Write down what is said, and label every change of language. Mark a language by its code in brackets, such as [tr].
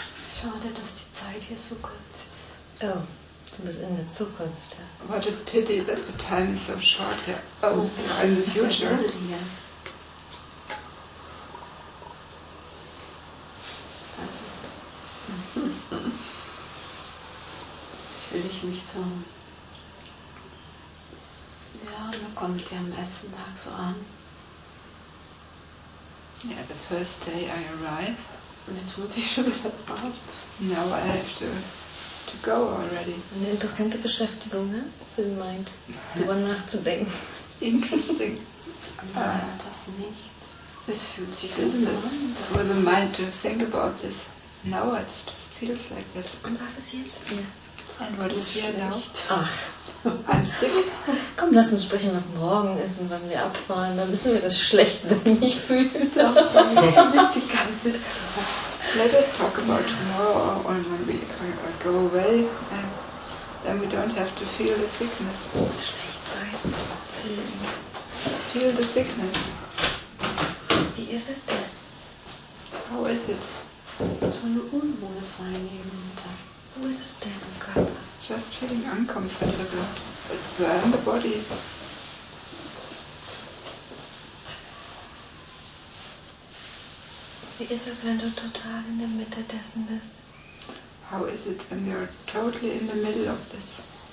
[de] Schade, dass die Zeit hier so kurz ist. Oh, du bist in der Zukunft. Ja. [en] What a pity that the time is so short here. Oh, in the future. [de] fühle ich mich so. Ja, da kommt ja am ersten Tag so an. [en] Ja, the first day I arrive. [de] Und jetzt muss ich schon wieder fahren. [en] Now I have to go already. [de] Eine interessante Beschäftigung, ne? Für den Mind, darüber nachzudenken. [en] Interesting. [de] Ja, das nicht. [en] This feels like this. For the mind to think about this. Now it just feels like that. [de] Und was ist jetzt hier? [en] And what is here now? Ach. I'm sick. [de] Komm, lass uns sprechen, was morgen ist und wann wir abfahren. Dann müssen wir das schlecht sein, nicht fühlen. Doch, nicht die ganze Zeit. [en] Let us talk about tomorrow or when we go away. And then we don't have to feel the sickness. [de] Schlecht sein. [en] Feel the sickness. [de] Wie ist es denn? [en] How is it? [de] So ein Unwohlsein eben. Wo ist es denn im Körper? [en] Just feeling uncomfortable. It's where in the body. [de] Wie ist es, wenn du total in der Mitte dessen bist? [en] How is it when you're totally in the middle of this?